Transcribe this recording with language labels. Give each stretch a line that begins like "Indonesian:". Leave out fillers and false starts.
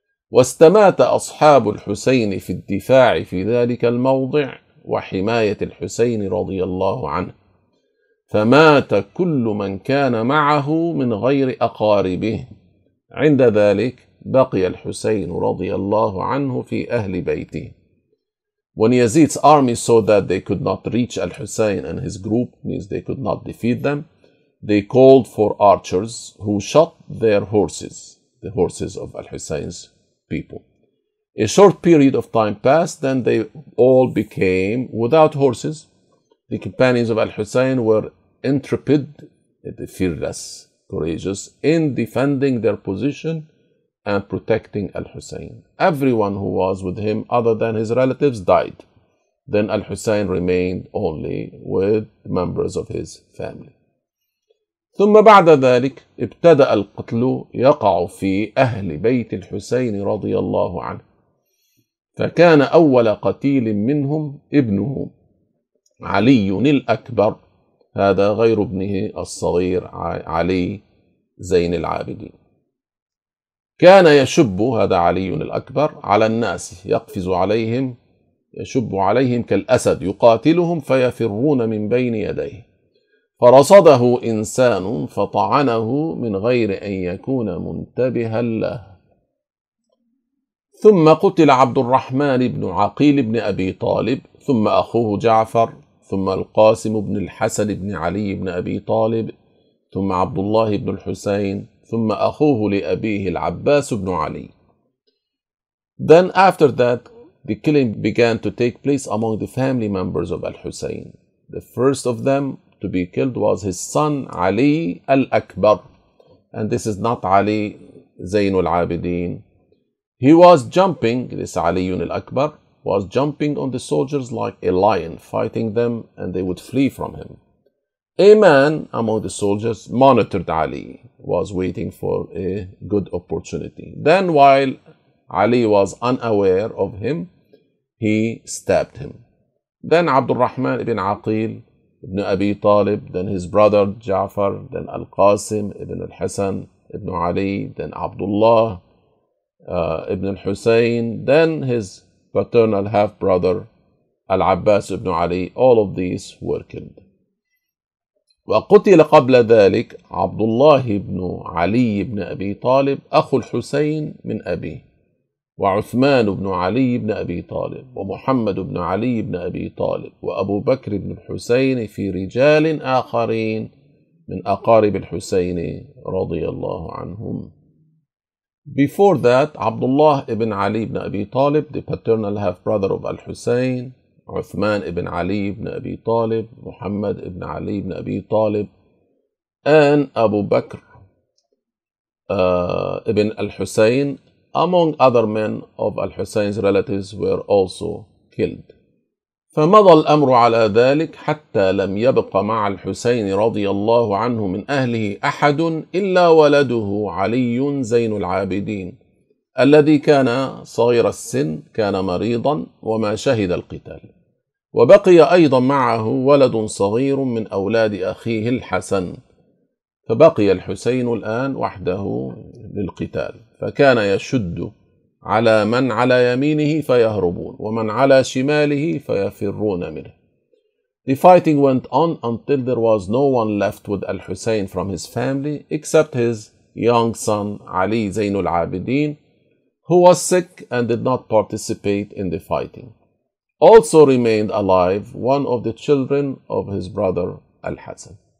Arabic: واستمات أصحاب الحسين في الدفاع في ذلك الموضع وحماية الحسين رضي الله عنه، فمات كل من كان معه من غير أقاربه. عند ذلك بقي الحسين رضي الله عنه في أهل بيته.
English: When Yazid's army saw that they could not reach Al-Husayn and his group, means they could not defeat them, they called for archers who shot their horses, the horses of Al-Husayn's people. A short period of time passed, then they all became without horses. The companions of Al-Husayn were intrepid, fearless, courageous in defending their position and protecting Al-Husayn. Everyone who was with him other than his relatives died. Then Al-Husayn remained only with members of his family.
Arabic: ثم بعد ذلك ابتدأ القتل يقع في أهل بيت الحسين رضي الله عنه، فكان أول قتيل منهم ابنه علي الأكبر، هذا غير ابنه الصغير علي زين العابدين. كان يشب، هذا علي الأكبر، على الناس، يقفز عليهم، يشب عليهم كالأسد، يقاتلهم فيفرون من بين يديه، فرصده إنسان فطعنه من غير أن يكون منتبها له. ثم قتل عبد الرحمن بن عقيل بن أبي طالب، ثم أخوه جعفر، ثم القاسم بن الحسن بن علي بن أبي طالب، ثم عبد الله بن الحسين، ثم أخوه لأبيه العباس بن علي.
English: Then after that, the killing began to take place among the family members of Al-Husayn. The first of them to be killed was his son Ali al-Akbar. And this is not Ali Zain al-Abidin. He was jumping, this Ali al-Akbar, was jumping on the soldiers like a lion, fighting them, and they would flee from him. A man among the soldiers monitored Ali, was waiting for a good opportunity. Then while Ali was unaware of him, he stabbed him. Then Abdul Rahman ibn Aqil ibn Abi Talib, then his brother Ja'far, then Al-Qasim ibn al-Hasan ibn Ali, then Abdullah ibn al-Husayn, then his paternal half-brother Al-Abbas ibn Ali, all of these were killed.
Arabic: وقتل قبل ذلك عبد الله بن علي بن أبي طالب أخو الحسين من أبيه، وعثمان بن علي بن أبي طالب، ومحمد بن علي بن أبي طالب، وأبو بكر بن الحسين في رجال آخرين من أقارب الحسين رضي الله عنهم.
English: Before that, Abdullah ibn Ali ibn Abi Talib, the paternal half-brother of Al-Husayn, Uthman ibn Ali ibn Abi Talib, Muhammad ibn Ali ibn Abi Talib, and Abu Bakr ibn Al-Husayn, among other men of Al-Husayn's relatives, were also killed.
Arabic: فمضى الأمر على ذلك حتى لم يبق مع الحسين رضي الله عنه من أهله أحد إلا ولده علي زين العابدين الذي كان صغير السن، كان مريضا وما شهد القتال، وبقي أيضا معه ولد صغير من أولاد أخيه الحسن، فبقي الحسين الآن وحده للقتال، فكان يشد على من على يمينه فيهربون ومن على شماله فيفرون منه.
English: The fighting went on until there was no one left with Al-Husayn from his family except his young son Ali Zain al-Abidin, who was sick and did not participate in the fighting. Also remained alive one of the children of his brother Al-Hasan.